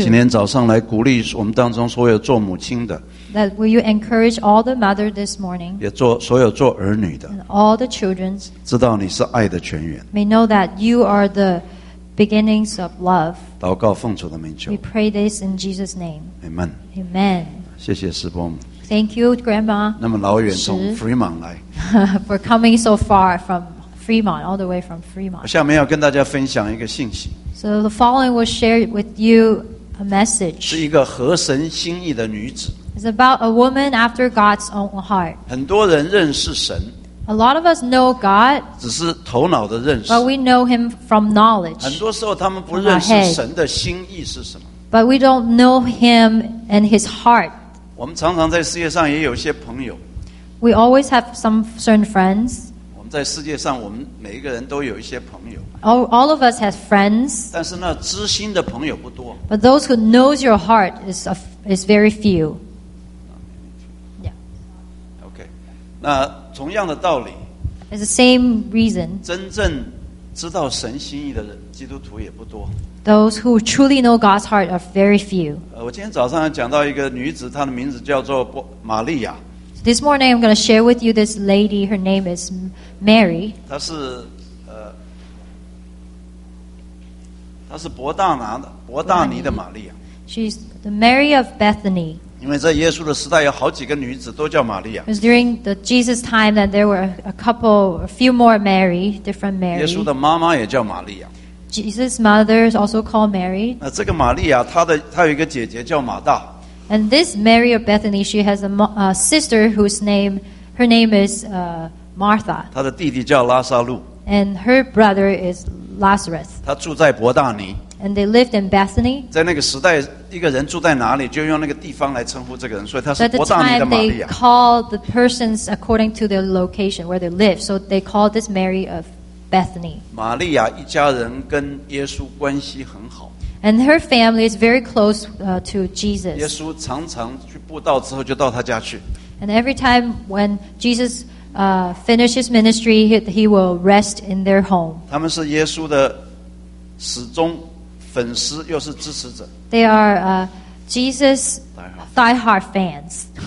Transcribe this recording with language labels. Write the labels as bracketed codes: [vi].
[zh] 今天早上来鼓励我们当中所有做母亲的。 [en] That will you encourage all the mother this morning? [zh] 也做所有做儿女的。 [en] And all the children. [zh] 知道你是爱的泉源。 [en] May know that you are the beginnings of love. [zh] 祷告奉主的名求。 [en] We pray this in Jesus' name. Amen. Amen. [zh] 谢谢师伯母。 [en] Thank you, Grandma. [zh] 那么老远从 Fremont 来。 [en] For coming so far from Fremont, all the way from Fremont. [zh] 下面要跟大家分享一个信息。 [en] So the following will share with you a message. [zh] 是一个合神心意的女子。 [en] It's about a woman after God's own heart. [zh] 很多人认识神。 [en] A lot of us know God, [zh] 只是头脑的认识。 [en] But we know Him from knowledge. [zh] 很多时候他们不认识神的心意是什么。 [en] But we don't know Him and His heart. [zh] 我们常常在世界上也有些朋友。 [en] We always have some certain friends. [zh] 我们在世界上，我们每一个人都有一些朋友。 [en] All of us have friends. [zh] 但是那知心的朋友不多。 [en] But those who knows your heart is very few. Yeah. [zh] Okay. 那同样的道理 [en] It's the same reason [zh] 真正知道神心意的人基督徒也不多 [en] Those who truly know God's heart are very few [zh] 我今天早上讲到一个女子她的名字叫做玛利亚 [en] This morning I'm going to share with you this lady Her name is Mary [zh] 她是伯大尼的玛利亚 [en] She's the Mary of Bethany [zh] 因为在耶稣的时代有好几个女子都叫玛利亚 [en] It was during the Jesus time that there were a few more Mary, different Mary [zh] 耶稣的妈妈也叫玛利亚 [en] Jesus' mother is also called Mary [zh] 那这个玛利亚她有一个姐姐叫马大 [en] And this Mary of Bethany, she has a sister whose name, her name is Martha [zh] 她的弟弟叫拉撒路 [en] And her brother is Lazarus [zh] 她住在伯大尼 [en] And they lived in Bethany. [zh] 在那个时代，一个人住在哪里，就用那个地方来称呼这个人，所以他是伯大尼的玛利亚。 [en] At the time, they called the persons according to their location where they live. So they called this Mary of Bethany. [zh] 玛利亚一家人跟耶稣关系很好。 [en] And her family is very close to Jesus. [zh] 耶稣常常去布道之后就到他家去。 [en] And every time when Jesus finishes ministry, he will rest in their home. [zh] 他们是耶稣的始终粉丝又是支持者。 [en] They are Jesus diehard fans.